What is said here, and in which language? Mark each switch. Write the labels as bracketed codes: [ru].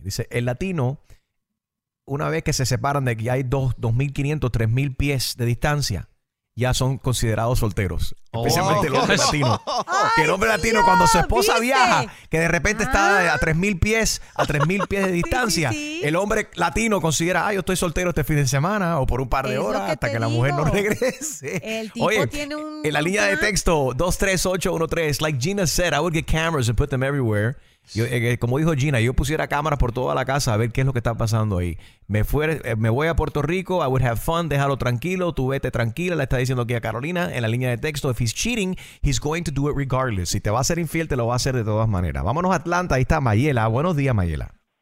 [es] Dice, el latino, una vez que se separan de que hay 2,500, 3,000 pies de distancia, ya son considerados solteros. Especialmente los hombres latinos. Que el hombre latino, cuando su esposa viaja, que de repente está a 3,000 pies, a 3,000 pies de distancia, el hombre latino considera, yo estoy soltero este fin de semana o por un par de horas hasta que la mujer no regrese. El tipo tiene un... En la línea de texto, [en] 23813, like Gina said, I would get cameras and put them everywhere. [es] Yo, como dijo Gina, yo pusiera cámaras por toda la casa a ver qué es lo que está pasando ahí. Me fui, me voy a Puerto Rico, [en] I would have fun, [es] déjalo tranquilo, tú vete tranquila, le está diciendo aquí a Carolina en la línea de texto, [en] if he's cheating, he's going to do it regardless. [es] Si te va a ser infiel, te lo va a hacer de todas maneras. Vámonos a Atlanta, ahí está Mayela. Buenos días, Mayela.